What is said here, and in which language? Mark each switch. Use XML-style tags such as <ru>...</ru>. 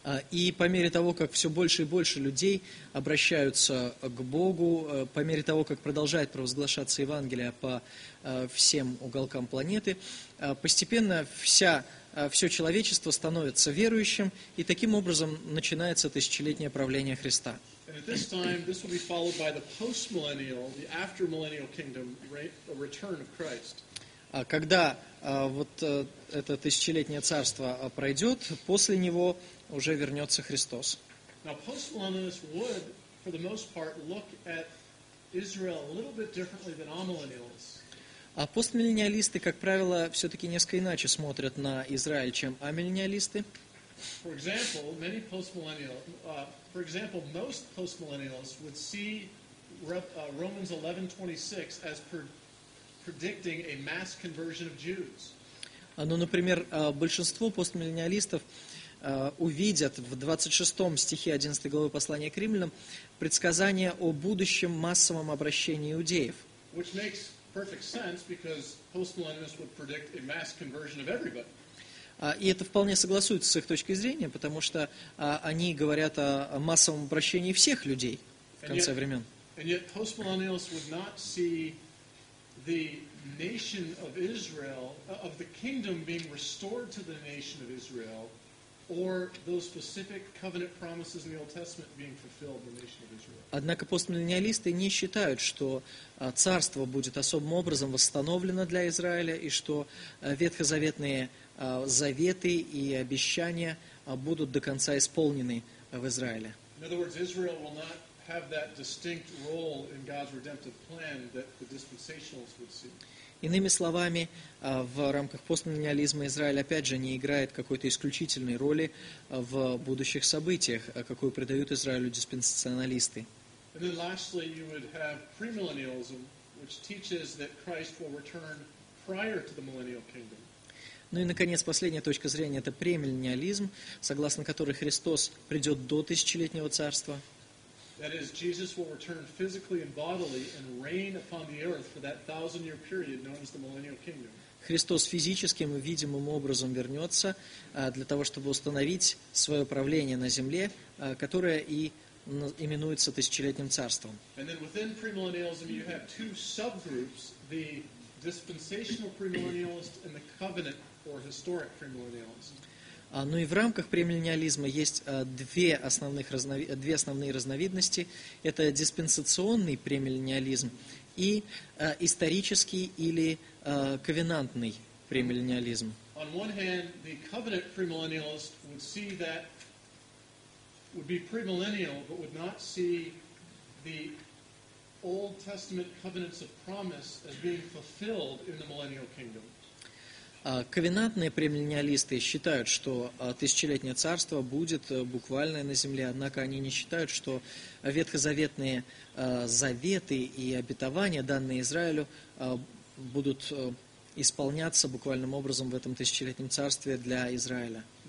<ru>И по мере того, как все больше и больше людей обращаются к Богу, по мере того, как продолжает провозглашаться Евангелие по всем уголкам планеты, постепенно все человечество становится верующим, и таким образом начинается тысячелетнее правление Христа.</ru> <en>And at this time, this will be followed by the post-millennial, the after-millennial kingdom, a return of Christ.</en> <ru>Когда это тысячелетнее царство пройдет, после него уже вернется Христос.</ru> <en>Now, post-millennialists would, for the most part, look at Israel a little bit differently than amillennialists.</en> <ru>А постмиллениалисты, как правило, все-таки несколько иначе смотрят на Израиль, чем амиллениалисты.</ru> <en>For example, most postmillennials would see Romans 11:26 as predicting a mass conversion of Jews.</en> <ru>Например, большинство постмиллениалистов увидят в 26 стихе 11 главы послания к Римлянам предсказание о будущем массовом обращении иудеев.</ru> <en>Which makes perfect sense because postmillennialists would predict a mass conversion of everybody.</en> <ru>И это вполне согласуется с их точкой зрения, потому что они говорят о массовом обращении всех людей в конце времен.</ru> <en>And yet postmillennialists would not see the nation of Israel, of the kingdom being restored to the nation of Israel, or those specific covenant promises in the Old Testament being fulfilled in the nation of Israel.</en> <ru>Однако постмиллениалисты не считают, что царство будет особым образом восстановлено для Израиля, и что ветхозаветные заветы и обещания будут до конца исполнены в Израиле.</ru> <en>In other words, Israel will not have that distinct role in God's redemptive plan that the dispensationalists would see.</en> <ru>Иными словами, в рамках постмиллениализма Израиль, опять же, не играет какой-то исключительной роли в будущих событиях, какую придают Израилю диспенсационалисты.</ru> <en>And then lastly, you would have premillennialism, which teaches that Christ will return prior to the millennial kingdom.</en> <ru>Ну и, наконец, последняя точка зрения – это премиллениализм, согласно которой Христос придет до тысячелетнего царства.</ru> <en>That is, Jesus will return physically and bodily and reign upon the earth for that thousand-year period known as the millennial kingdom.</en> <ru>Христос физическим и видимым образом вернется для того, чтобы установить свое правление на земле, которое и именуется тысячелетним царством.</ru> <en>And then within premillennialism you have two subgroups, the dispensational premillennialist and the covenant or historic premillennialist.</en> <ru>Ну и в рамках премиллениализма есть две основные разновидности. Это диспенсационный премиллениализм и исторический или ковенантный премиллениализм.</ru> <en>On one hand, the covenant premillennialist would see that would be premillennial, but would not see the Old Testament covenants of promise as being fulfilled in the millennial kingdom.</en> <ru>Ковенантные премиллениалисты считают, что тысячелетнее царство будет буквальное на земле, однако они не считают, что ветхозаветные заветы и обетования, данные Израилю, будут исполняться буквальным образом в этом тысячелетнем царстве для Израиля.</ru>